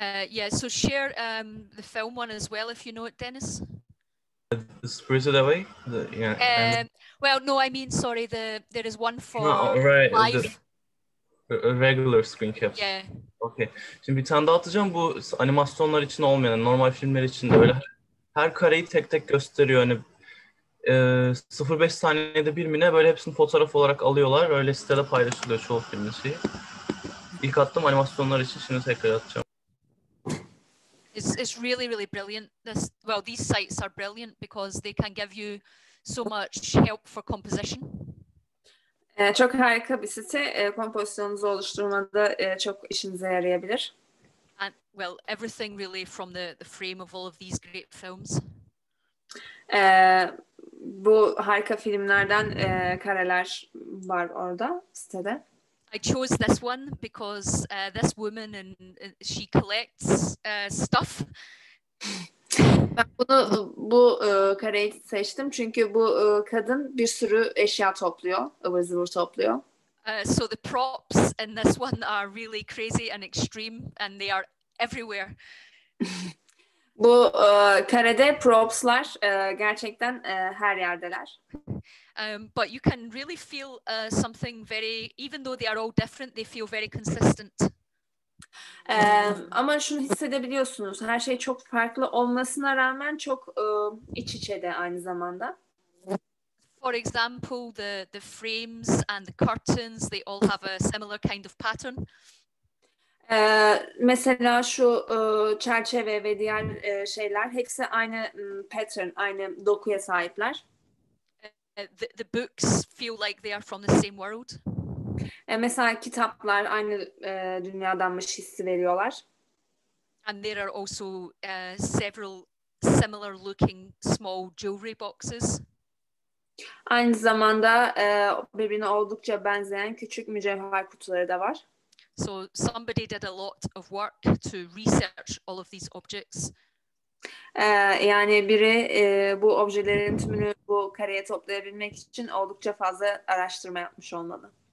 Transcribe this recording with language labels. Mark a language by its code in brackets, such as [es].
[en] Yeah, so share the film one as well if you know it, Deniz. Spirit of the Way? Well, no, I mean, sorry, there is one for regular screen caps. Yeah. [tr] Okay. Şimdi bir tane daha atacağım. Bu animasyonlar için olmayan, normal filmler için de öyle. Her kareyi tek tek gösteriyor. Hani 0.5 saniyede bir mine böyle hepsini fotoğraf olarak alıyorlar. Öyle sitede paylaşılıyor çoğu filmin şeyi. İlk attım animasyonlar için. Şimdi tekrar atacağım. [en] It's really, really brilliant. These sites are brilliant because they can give you so much help for composition. [tr] Çok harika bir site. Kompozisyonunuzu oluşturmada çok işinize yarayabilir. [en] And, well, everything really from the frame of all of these great films. [tr] Bu harika filmlerden kareler var orada sitede. [en] I chose this one because this woman and she collects stuff. [tr] Ben bunu bu kareyi seçtim çünkü bu kadın bir sürü eşya topluyor, ıvır zıvır topluyor. [en] So the props in this one are really crazy and extreme and they are everywhere. [tr] Bu karede propslar gerçekten her yerdeler. [en] But you can really feel something very, even though they are all different, they feel very consistent. [tr] Ama şunu hissedebiliyorsunuz, her şey çok farklı olmasına rağmen çok iç içe de aynı zamanda. [en] For example, the frames and the curtains, they all have a similar kind of pattern. [tr] Mesela şu çerçeve ve diğer şeyler hepsi aynı pattern, aynı dokuya sahipler. [en] The books feel like they are from the same world. [tr] Mesela kitaplar aynı dünyadanmış hissi veriyorlar. [en] And there are also several similar looking small jewelry boxes. [tr] Aynı zamanda birbirine oldukça benzeyen küçük mücevher kutuları da var. [en] So somebody did a lot of work to research all of these objects. [tr] Yani biri bu objelerin tümünü bu kareye toplayabilmek için oldukça fazla araştırma yapmış olmalı.